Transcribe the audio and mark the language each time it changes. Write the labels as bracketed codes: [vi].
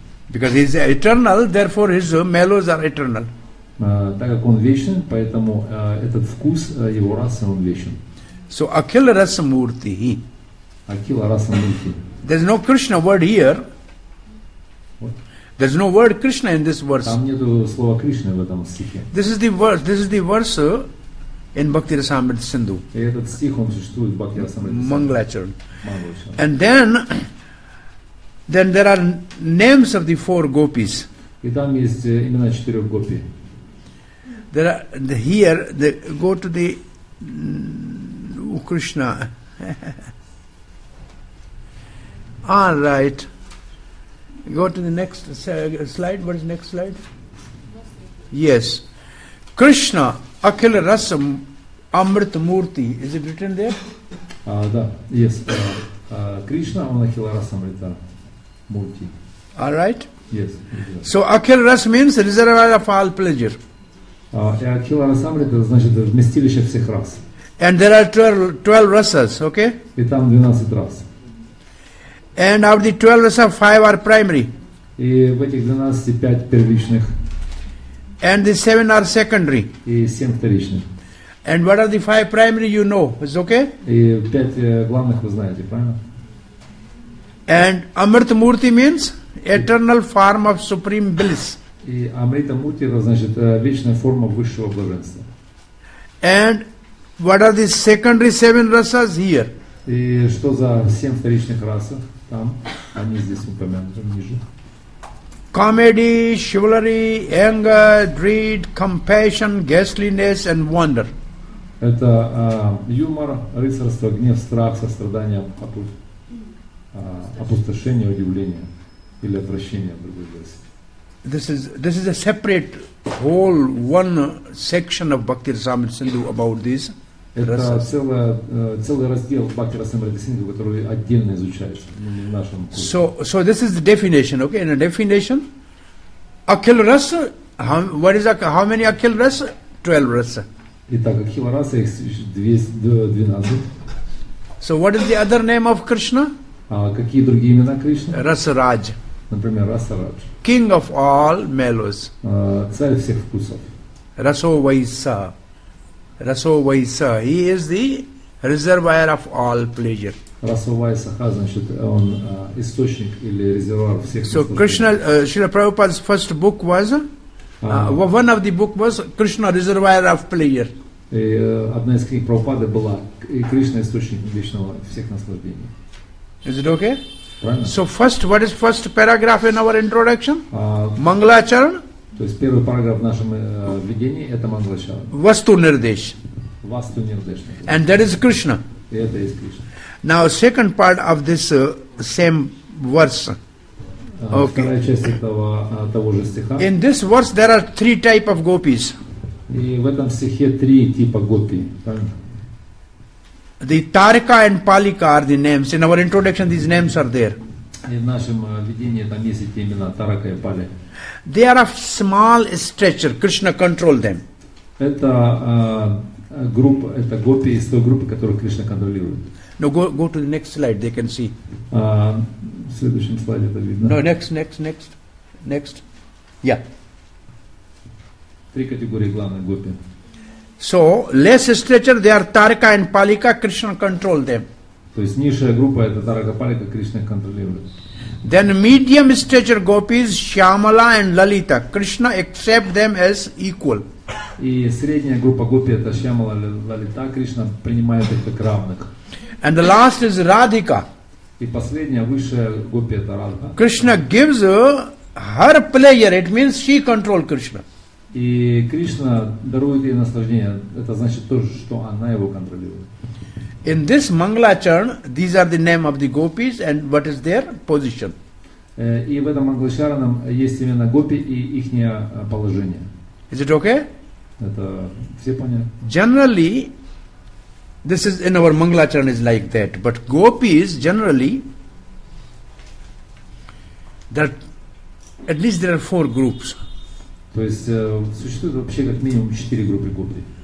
[en] Because he is eternal, therefore his mellows are eternal. [ru] Так как он вечен, поэтому этот вкус его раса он вечен. [en] So Akhila Rasa Murti. Akhila Rasa Murti. There's no Krishna word here. What? There's no word Krishna in this verse. [ru] Там нету слова Кришны в этом стихе. [en] This is the verse in Bhakti Rasamrita Sindhu. [ru] И этот стих он существует в Bhakti Rasamrita [en] Sindhu. Mangalacharan. And then. Then there are names of the four gopis. [ru] И там есть имена четырех гопи. [en] There are here. They go to the Krishna. All right. Go to the next slide. What is the next slide? Yes, Krishna, Akhila Rasa, Amrita Murti. Is it written there? Yes. Krishna, Akhila Rasa, Amrita Murti. All right? Yes. So Akhila Rasa means reservoir of all pleasure. [ru] Akhila Rasa Amrita значит вместилище всех рас. [en] And there are 12 rasas, okay? [ru] И там 12 рас. [en] And out of the 12 rasas, 5 are primary. [ru] И в этих 12 5 первичных. [en] And the 7 are secondary. [ru] И 7 вторичных. [en] And what are the 5 primary you know, is okay? [ru] И 5 главных вы знаете, правильно? [en] And Amrita Murti means eternal form of supreme bliss. [ru] И Amrita Murti значит вечная форма высшего блаженства. [en] And what are the secondary 7 rasas here? [ru] И что за 7 вторичных рас? Там они здесь упомянуты ниже. [en] Comedy, chivalry, anger, dread, compassion, ghastliness and wonder. [ru] Это юмор, рыцарство, гнев, страх, сострадание, опустошение, удивление или отвращение в другой версии. [en] This is a separate whole one section of Bhakti Rasamrita Sindhu about this. [ru] Это целый раздел Бхакти Расамриты Синдху, который отдельно изучается в нашем курсе. [en] So this is the definition, okay? In a definition, Akhil Rasa, how many Akhil Rasa? 12 Rasa. [ru] Итак, Akhil Rasa, их 12. [en] So what is the other name of Krishna? [ru] Какие другие имена Кришны? Расарадж. Например, Расарадж. [en] King of all mellows. [ru] Царь всех вкусов. [en] Расовайса. Расовайса, he is the reservoir of all pleasure. [ru] Расовайсаха, значит, он источник или резервуар всех. [en] So Krishna, Srila Prabhupada's first book was, one of the book was Krishna Reservoir of Pleasure. [ru] И одна из книг Прабхупады была Кришна источник вечного всех наслаждений. [en] Is it okay? [ru] Правильно. [en] So first, what is first paragraph in our introduction? Mangalacharan. [ru] То есть первый параграф в нашем введении это Мангалачарана. [sa] Васту нирдеш. Васту нирдеш. [en] And that is Krishna. [ru] И это есть Кришна. [en] Now second part of this same verse. Okay. [ru] Вторая часть того же стиха. [en] In this verse there are three type of gopis. [ru] И в этом стихе три типа гопи. [en] The Tarika and Palika are the names. In our introduction these names are there. [ru] И в нашем введении там есть эти имена Тарика и Пали. [en] They are of small stature. Krishna control them. [ru] Это группа, это гопи из той группы, которую Кришна контролирует. [en] Now go to the next slide. They can see. [ru] В следующем слайде это видно. [en] No, next. Yeah. [ru] Три категории главных гопи. [en] So less stature, they are Tarika and Palika. Krishna control them. То есть низшая группа это Тарика Палика, Кришна контролирует. Then medium stature gopis Shyamala and Lalita. Krishna accept them as equal. [ru] И средняя группа гопи это Shyamala и Lalita. Krishna принимает их как равных. [en] And the last is Radhika. [ru] И последняя высшая гопи это Радха. [en] Krishna gives her pleasure. It means she control Krishna. [ru] И Кришна дарует ей наслаждение. Это значит тоже, что она его контролирует. [en] In this Mangalacharan, these are the name of the gopis and what is their position. [ru] И в этом Mangalacharanam есть имена гопи и ихнее положение. [en] Is it okay? [ru] Это все понятно. [en] Generally, this is in our Mangalacharan is like that. But gopis generally, that at least there are four groups. [ru] То есть существует вообще как минимум четыре группы гопи.